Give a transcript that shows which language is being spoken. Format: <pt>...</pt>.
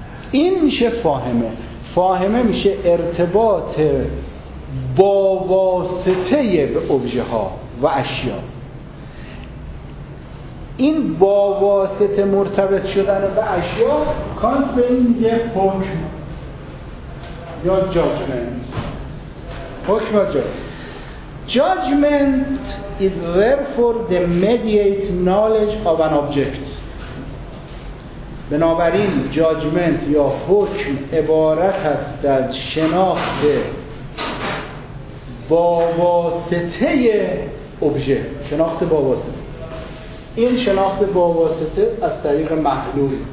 <fa>این میشه فاهمه. فاهمه میشه ارتباط با واسطه به ابژه ها و اشیا. این با واسطه مرتبط شدن به اشیا کانت به این یه حکم یا جاجمنت. حکم یا جاجمنت.</fa> <en>Judgement is therefore the mediate knowledge of an object.</en> <fa>بنابراین جاجمنت یا حکم عبارت است از شناخت با واسطه ابژه، شناخت با واسطه. این شناخت با واسطه از طریق محلول.</fa>